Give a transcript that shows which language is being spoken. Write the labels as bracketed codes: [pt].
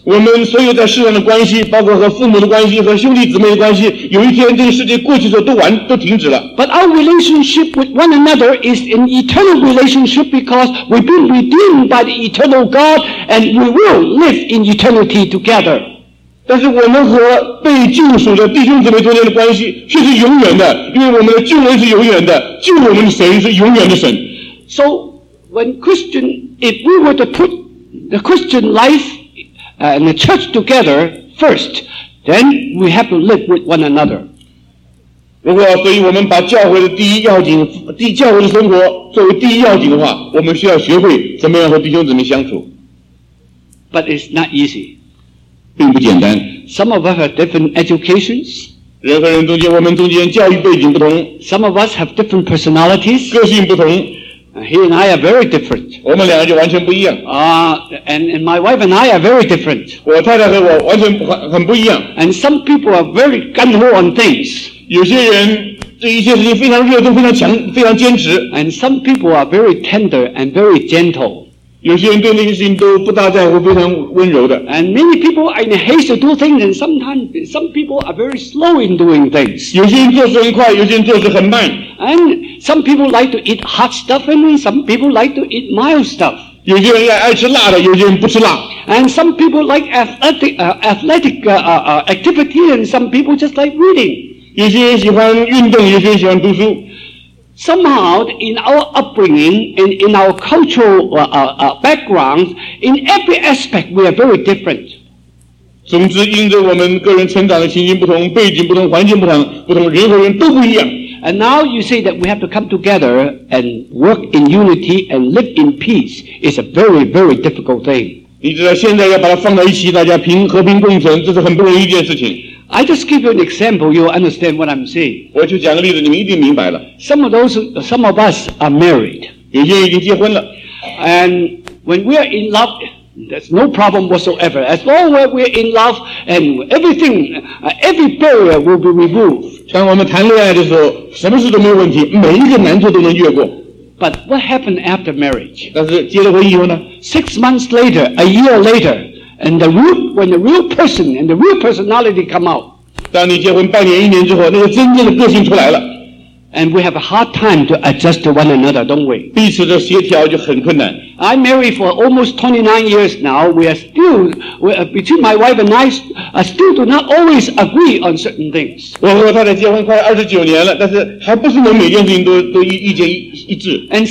[zh] 我们所有在世上的关系，包括和父母的关系，和兄弟姊妹的关系，有一天这个世界过去的时候都停止了。 [en] But our relationship with one another is an eternal relationship because we've been redeemed by the eternal God and we will live in eternity together. [zh] 但是我们和被救赎的弟兄姊妹中间的关系却是永远的，因为我们的救恩是永远的，救我们的神是永远的神。 [en] So when Christian, if we were to put the Christian life and the church together first, then we have to live with one another. [zh] 如果所以我们把教会的第一要紧，教会的生活作为第一要紧的话，我们需要学会怎么样和弟兄姊妹相处。 [en] But it's not easy. [zh] 并不简单。 [en] Some of us have different educations. [zh] 人和人中间，我们中间教育背景不同。 [en] Some of us have different personalities. [zh] 个性不同。 [en] He and I are very different. [zh] 我们两个就完全不一样。 [en] And my wife and I are very different. [zh] 我太太和我完全很不一样。 [en] And some people are very gung-ho on things. [zh] 有些人对一些事情非常热衷，非常强，非常坚持。 [en] And some people are very tender and very gentle. [zh] 有些人对那些事情都不大在乎，非常温柔的。 [en] And many people are in haste to do things, and sometimes some people are very slow in doing things. [zh] 有些人做事很快，有些人做事很慢。 [en] And some people like to eat hot stuff, and some people like to eat mild stuff. [zh] 有些人爱吃辣的，有些人不吃辣。 [en] And some people like athletic activity, and some people just like reading. [zh] 有些人喜欢运动，有些人喜欢读书。 [en] Somehow, in our upbringing and in our cultural background, in every aspect, we are very different. [zh] 总之，因着我们个人成长的情形不同，背景不同，环境不同，不同人和人都不一样。 [en] And now you say that we have to come together and work in unity and live in peace. It's a very, very difficult thing. [zh] 你知道现在要把它放在一起，大家和平共存，这是很不容易一件事情。 [en] I just give you an example, you'll understand what I'm saying. [zh] 我就讲个例子，你们一定明白了。 [en] Some of us are married. [zh] 有些人已经结婚了。 [en] And when we are in love, there's no problem whatsoever. As long as we're in love, and every barrier will be removed. [zh] 当我们谈恋爱的时候，什么事都没有问题，每一个难处都能越过。 [en] But what happened after marriage? [zh] 但是结了婚以后呢？ [en] Six months later, a year later, And the root, when the real person and the real personality come out, [zh] 当你结婚半年一年之后，那个真正的个性出来了。 [en] And we have a hard time to adjust to one another, don't we? [zh] 彼此的协调就很困难。 [en] I married for almost 29 years now. We are still, between my wife and I, still do not always agree on certain things. [zh] 我和太太结婚快29年了，但是还不是能每件事情都意见一致。 [en] And